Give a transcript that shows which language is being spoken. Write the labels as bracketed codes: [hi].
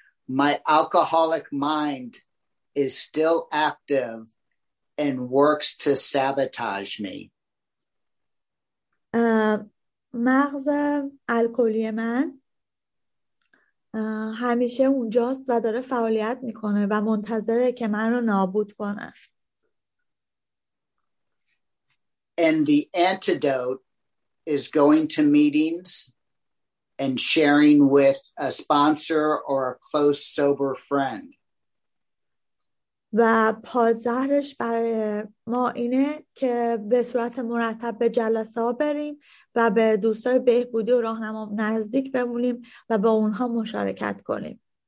[en] My alcoholic mind is still active and works to sabotage me. [fa] مغز الکلی من همیشه اونجاست و داره فعالیت میکنه و منتظره که من رو نابود کنه. [en] And the antidote is going to meetings and sharing with a sponsor or a close sober friend. [fa] و پادزهرش برای ما اینه که به صورت مرتب به جلسه ها بریم و به دوستای بهبودی و راهنما نزدیک بمونیم و با اونها مشارکت کنیم.